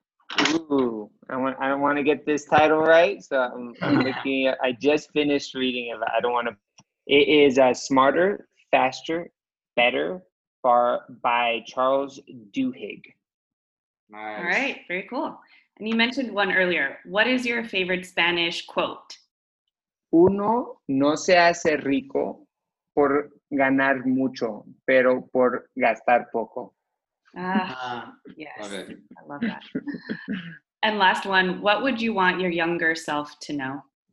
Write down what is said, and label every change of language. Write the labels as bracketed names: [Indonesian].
[English] I don't want to get this title right. So I'm looking at, I just finished reading it. I don't want to. It is Smarter, Faster, Better by Charles Duhigg. Nice. All right, very cool. And you mentioned one earlier. What is your favorite Spanish quote? [Spanish] Uno no se hace rico por ganar mucho, pero por gastar poco. [English] Yes, love it. I love that. And last one, what would you want your younger self to know?